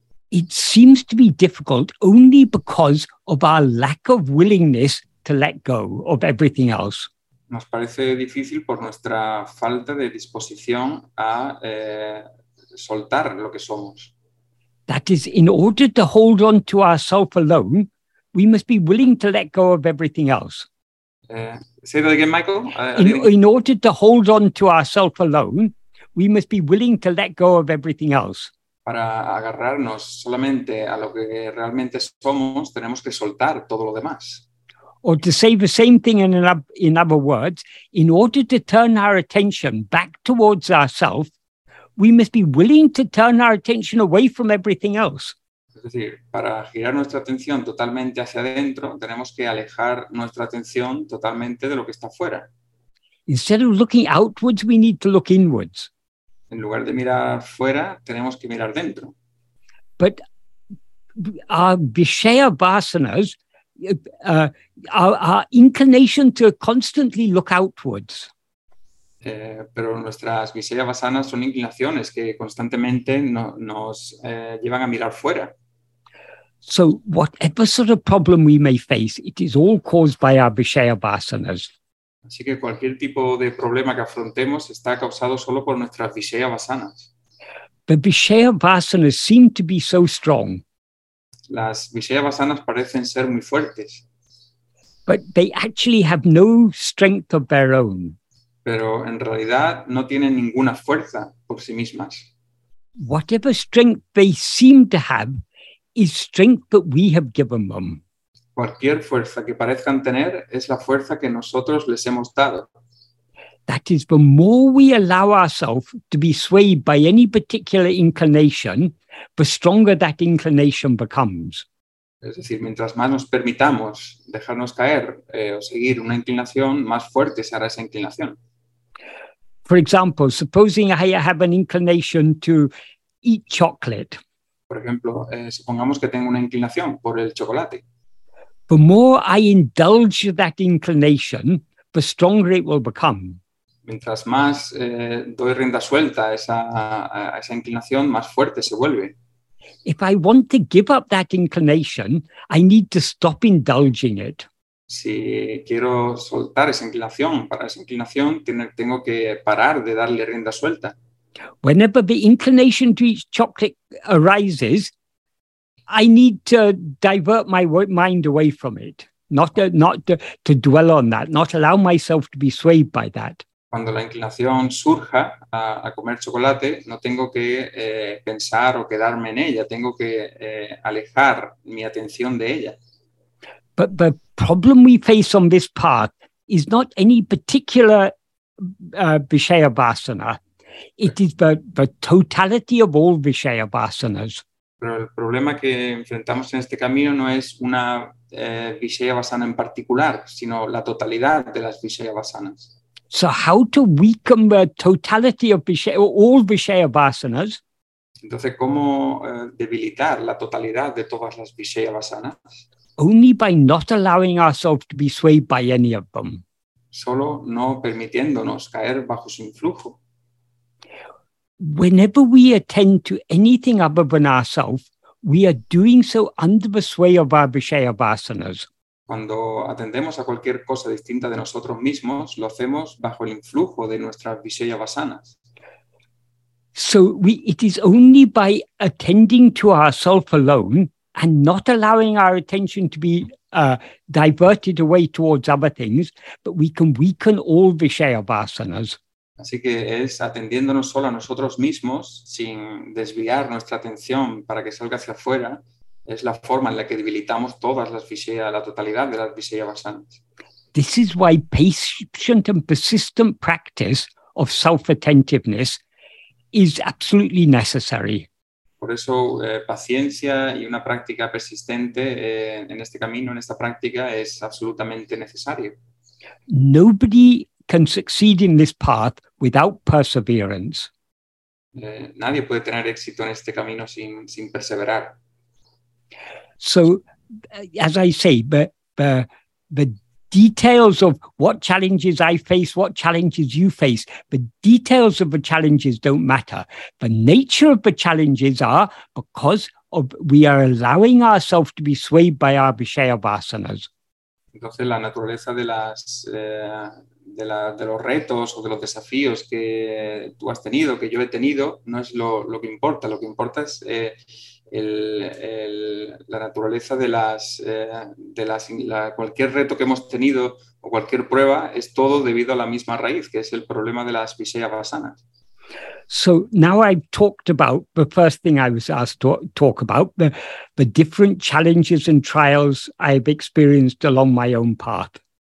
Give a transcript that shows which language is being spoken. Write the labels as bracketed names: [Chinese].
[English] It seems to be difficult only because of our lack of willingness to let go of everything else. [Spanish] Nos parece difícil por nuestra falta de disposición a soltar lo que somos. [English] That is, in order to hold on to ourself alone, we must be willing to let go of everything else. Say that again, Michael. In order to hold on to ourself alone, we must be willing to let go of everything else. [Spanish] Para agarrarnos solamente a lo que realmente somos, tenemos que soltar todo lo demás. [English] Or to say the same thing in other words, in order to turn our attention back towards ourselves, we must be willing to turn our attention away from everything else. [Spanish] Es decir, para girar nuestra atención totalmente hacia adentro, tenemos que alejar nuestra atención totalmente de lo que está fuera. [English] Instead of looking outwards, we need to look inwards. [Spanish] En lugar de mirar fuera, tenemos que mirar dentro. [English] But our Vishayavasanas, our inclination to constantly look outwards. [Spanish] Pero nuestras Vishayavasanas son inclinaciones que constantemente nos llevan a mirar fuera. [English] So whatever sort of problem we may face, it is all caused by our Vishayavasanas. [Spanish] Así que cualquier tipo de problema que afrontemos está causado solo por nuestras Vishayavasanas. [English] The Vishayavasanas seem to be so strong. [Spanish] Las Vishayavasanas parecen ser muy fuertes. [English] But they actually have no strength of their own. [Spanish] Pero en realidad no tienen ninguna fuerza por sí mismas. [English] Whatever strength they seem to have is strength that we have given them. [Spanish] Cualquier fuerza que parezcan tener es la fuerza que nosotros les hemos dado. [English] That is, the more we allow ourselves to be swayed by any particular inclination, the stronger that inclination becomes. [Spanish] Es decir, mientras más nos permitamos dejarnos caer o seguir una inclinación, más fuerte se hará esa inclinación. [English] For example, supposing I have an inclination to eat chocolate. [Spanish] Por ejemplo, supongamos que tengo una inclinación por el chocolate. [English] The more I indulge that inclination, the stronger it will become. [Spanish] Mientras más doy rienda suelta a esa inclinación, más fuerte se vuelve. [English] If I want to give up that inclination, I need to stop indulging it. [Spanish] Si quiero soltar esa inclinación, para esa inclinación tengo que parar de darle rienda suelta. [English] Whenever the inclination to eat chocolate arises, I need to divert my mind away from it, not to dwell on that, not allow myself to be swayed by that. [Spanish] Cuando la inclinación surja a comer chocolate, no tengo que pensar o quedarme en ella, tengo que alejar mi atención de ella. [English] But the problem we face on this path is not any particular Vishayavasana. It is the totality of all Vishayavasanas. [Spanish] Pero el problema que enfrentamos en este camino no es una Vishayavasana en particular, sino la totalidad de las Vishayavasanas. [English] So how to weaken the totality of all Vishayavasanas? [Spanish] Entonces, ¿cómo debilitar la totalidad de todas las Vishayavasanas? [English] Only by not allowing ourselves to be swayed by any of them. [Spanish] Solo no permitiéndonos caer bajo su influjo. [English] Whenever we attend to anything other than ourselves, we are doing so under the sway of our Vishayavasanas. [Spanish] Cuando atendemos a cualquier cosa distinta de nosotros mismos, lo hacemos bajo el influjo de nuestras Vishayavasanas. [English] So it is only by attending to ourselves alone and not allowing our attention to be diverted away towards other things, but we can weaken all Vishayavasanas. [Spanish] Así que es atendiéndonos solo a nosotros mismos, sin desviar nuestra atención para que salga hacia afuera, es la forma en la que debilitamos todas las Vishayas, la totalidad de las Vishayavasanas. [English] This is why patient and persistent practice of self-attentiveness is absolutely necessary. [Spanish] Por eso, paciencia y una práctica persistente en este camino, en esta práctica, es absolutamente necesario. [English] Nobody can succeed in this path without perseverance. [Spanish] Nadie puede tener éxito en este camino sin perseverar. [English] So, as I say, the details of what challenges I face, what challenges you face, the details of the challenges don't matter. The nature of the challenges are because of we are allowing ourselves to be swayed by our vishaya-vasanas. [Spanish] Entonces, la naturaleza de las de los retos o de los desafíos que tú has tenido, que yo he tenido, no es lo que importa. Lo que importa es la naturaleza de cualquier reto que hemos tenido o cualquier prueba es todo debido a la misma raíz, que es el problema de las viseya basanas. [English] So now I've talked about the first thing I was asked to talk about, the different challenges and trials I've experienced along my own path.